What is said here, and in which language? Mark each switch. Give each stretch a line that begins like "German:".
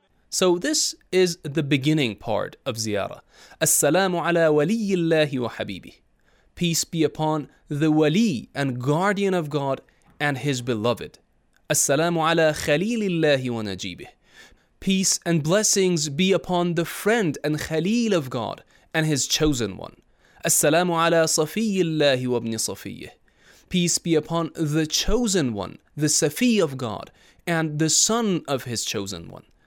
English: So this is the beginning part of زيارة.
Arabic: السلام على ولي الله وحبيبه.
English: Peace be upon the Wali and Guardian of God and His Beloved.
Arabic: Assalamu ala Khalilillahi wa Najibih.
English: Peace and blessings be upon the Friend and Khalil of God and His Chosen One.
Arabic: Assalamu ala Safiyillahi wa Ibn Safiyih.
English: Peace be upon the Chosen One, the Safi of God and the Son of His Chosen One.